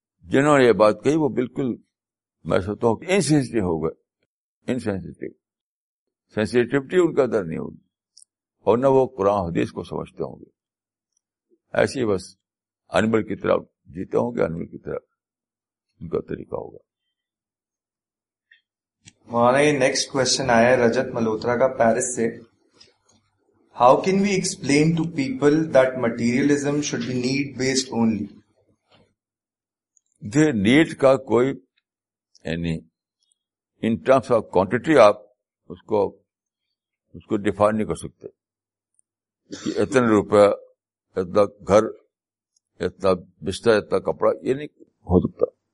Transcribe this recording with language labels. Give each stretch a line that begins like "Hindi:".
Urdu: جنہوں نے یہ بات کہی وہ بالکل میں سوچتا ہوں کہ انسینسٹیو ہو گئے, انسینسٹیو, سینسیٹیوٹی ان کا در نہیں ہوگی اور نہ وہ قرآن حدیث کو سمجھتے ہوں گے. ایسی بس انمل کی طرح جیتے ہوں گے, انمل کی طرح ان کا طریقہ ہوگا. ہمارا یہ نیکسٹ کوشچن آیا رجت ملہوترا کا پیرس سے.
English: How can we explain to people that materialism should be need based only.
Urdu: Need کا کوئی یعنی
English: in terms of quantity
Urdu: آپ اس کو ڈیفائن نہیں کر سکتے کہ اتنے روپے, اتنا گھر, اتنا بستر, اتنا کپڑا, یہ نہیں ہو سکتا.